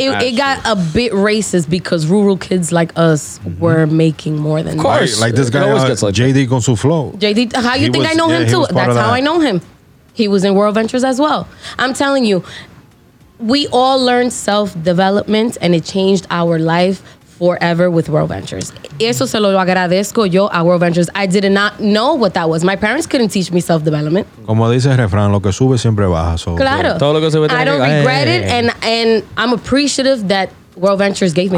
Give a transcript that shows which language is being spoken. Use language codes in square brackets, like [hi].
[en] It got a bit racist because rural kids like us were making more than. Of course. Like this guy, JD [es] con su flow. [en] JD, how you think I know him too? That's how I know him. He was in World Ventures as well. I'm telling you, we all learned self-development and it changed our life forever with World Ventures. [es] Eso se lo agradezco yo a World Ventures. [en] I did not know what that was. My parents couldn't teach me self-development. [es] Como dice el refrán, lo que sube siempre baja. [en] So, [es] claro. Todo lo que sube, [en] I don't regret it. And I'm appreciative that World Ventures gave me